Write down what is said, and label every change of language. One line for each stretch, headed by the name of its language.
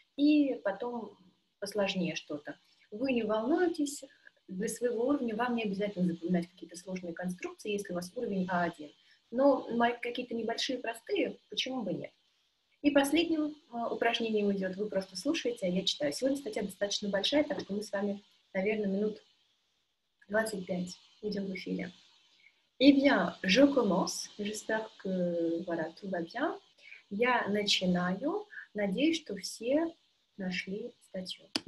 Russian: И потом посложнее что-то. Вы не волнуйтесь, для своего уровня вам не обязательно запоминать какие-то сложные конструкции, если у вас уровень А1. Но какие-то небольшие, простые, почему бы нет? И последним упражнением идет, вы просто слушаете, а я читаю. Сегодня статья достаточно большая, так что мы с вами, наверное, минут 25 идем в эфире.
French: Eh bien, je commence. J'espère que voilà, tout va bien.
Russian: Я начинаю. Надеюсь, что все нашли статью.